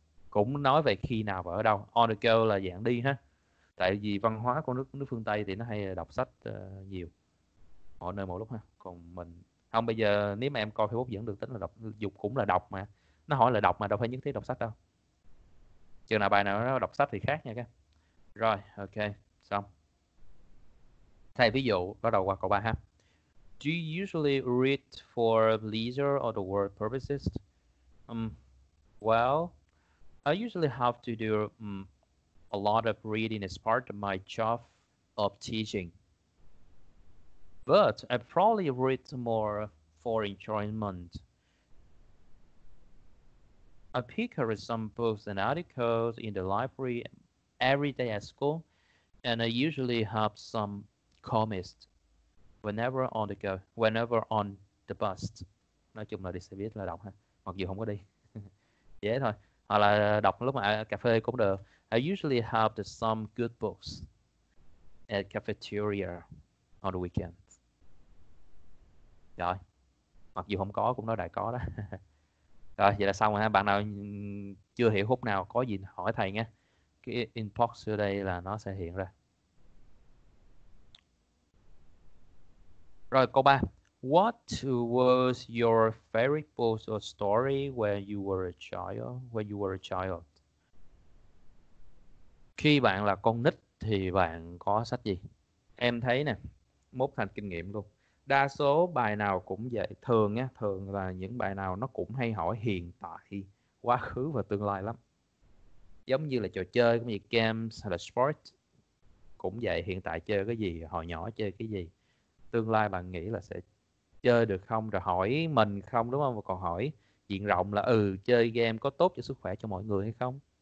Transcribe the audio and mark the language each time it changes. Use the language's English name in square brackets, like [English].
[Vietnamese] Cũng nói về khi nào và ở đâu. [English] On the go [Vietnamese] là dạng đi ha. Tại vì văn hóa của nước phương Tây thì nó hay đọc sách nhiều. Mọi nơi mọi lúc ha. Còn mình không, bây giờ nếu mà em coi Facebook vẫn được tính là đọc, dục cũng là đọc mà. Nó hỏi là đọc mà, đâu phải nhất thiết đọc sách đâu. Chừng nào bài nào nó đọc sách thì khác nha các. Rồi, ok, xong. Thầy ví dụ bắt đầu qua câu 3 ha. [English] Do you usually read for leisure or the work purposes? Well, I usually have to do a lot of reading as part of my job of teaching. But I probably read more for enjoyment. I pick up some books and articles in the library every day at school, and I usually have some comics whenever on the bus. [Vietnamese] Nói chung là đi xe buýt là đọc ha, mặc dù không có đi. Dễ yeah, thôi. Hoặc là đọc lúc mà ở cà phê cũng được. [English] I usually have some good books at cafeteria on the weekend. [Vietnamese] Rồi, mặc dù không có cũng nói đại có đó. Rồi, vậy là xong rồi ha. Bạn nào chưa hiểu khúc nào có gì hỏi thầy nha. Cái inbox ở đây là nó sẽ hiện ra. Rồi, câu 3. [English] What was your favorite book or story when you were a child? [Vietnamese] Khi bạn là con nít thì bạn có sách gì? Em thấy nè, mốt thành kinh nghiệm luôn. Đa số bài nào cũng vậy, thường nha, thường là những bài nào nó cũng hay hỏi hiện tại, quá khứ và tương lai lắm. Giống như là trò chơi, cũng như games hay là sport cũng vậy, hiện tại chơi cái gì, hồi nhỏ chơi cái gì, tương lai bạn nghĩ là sẽ chơi được không, rồi hỏi mình không đúng không, và còn hỏi diện rộng là ừ chơi game có tốt cho sức khỏe cho mọi người hay không.